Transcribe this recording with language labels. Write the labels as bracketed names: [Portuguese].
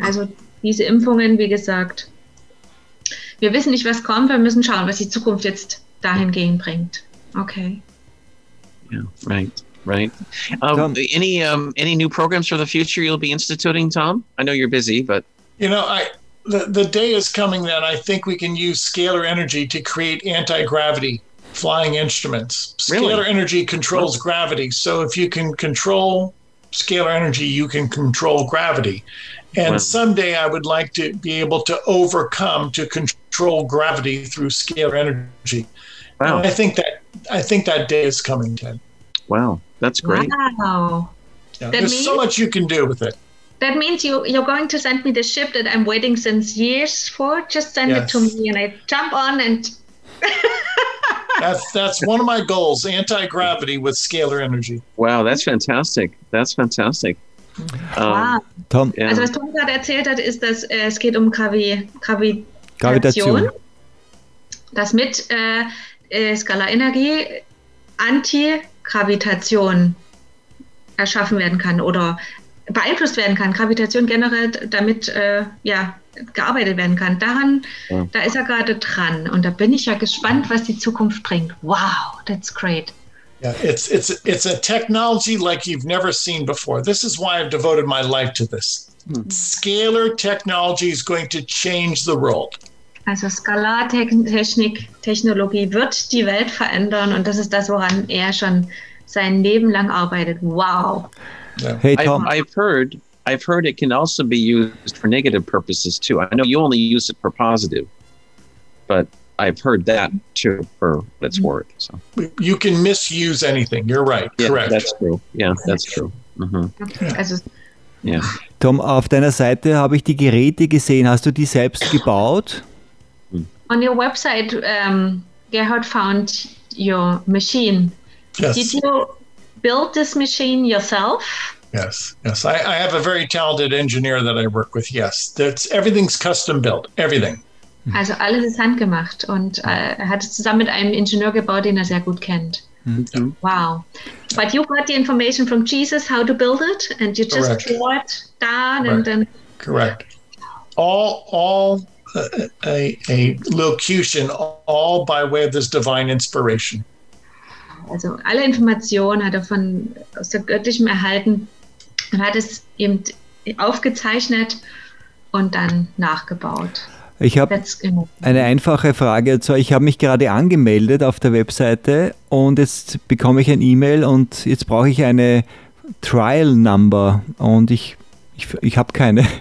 [German] Also diese Impfungen, wie gesagt, wir wissen nicht, was kommt. Wir müssen schauen, was die Zukunft jetzt dahingehend bringt. [English] Okay. Yeah, right. Any new programs for the future you'll be instituting, Tom? I know you're busy, but... You know, I, the day is coming that I think we can use scalar energy to create anti-gravity flying instruments. Scalar really? Energy controls gravity. So if you can control scalar energy, you can control gravity. And wow. Someday I would like to be able to overcome to control gravity through scalar energy. Wow. And I think that day is coming, Ted. Wow. That's great. Wow. Yeah, there's so much you can do with it. That means you're going to send me the ship that I'm waiting since years for. Just send yes. it to me and I jump on and... that's one of my goals, anti-gravity with scalar energy. Wow, that's fantastic. That's fantastic. Tom. Yeah. [German] Also was Tom gerade erzählt hat, ist, dass es geht um Gravitation. Das mit scalar energy Anti-Gravitation erschaffen werden kann oder beeinflusst werden kann, Gravitation generell damit ja, gearbeitet werden kann. Daran, ja. Da ist er gerade dran und da bin ich ja gespannt, was die Zukunft bringt. [English] Wow, that's great. Yeah, it's a technology like you've never seen before. This is why I've devoted my life to this. Scalar technology is going to change the world. [German] Also Skalartechnologie wird die Welt verändern und das ist das, woran er schon sein Leben lang arbeitet. [English] Wow. Yeah. Hey Tom, I've heard it can also be used for negative purposes too. I know you only use it for positive, but I've heard that too for what it's worth. So you can misuse anything. You're right. Yeah, correct. That's true. Yeah, that's true. Mm-hmm. Yeah. [German] Tom, auf deiner Seite habe ich die Geräte gesehen. Hast du die selbst gebaut? [English] On your website, Gerhard found your machine. Yes. Did you build this machine yourself? Yes. Yes. I have a very talented engineer that I work with. Yes. That's everything's custom built. Everything. [German] Also alles ist handgemacht und er hat es zusammen mit einem Ingenieur gebaut, den er sehr gut kennt. Mm-hmm. [English] Wow. But you got the information from Jesus how to build it and you just draw it down correct. And then correct. All a locution all by way of this divine inspiration. [German] Also alle Informationen hat er von aus der göttlichen erhalten und hat es eben aufgezeichnet und dann nachgebaut. Ich habe eine einfache Frage. Ich habe mich gerade angemeldet auf der Webseite und jetzt bekomme ich ein E-Mail und jetzt brauche ich eine Trial Number und ich habe keine.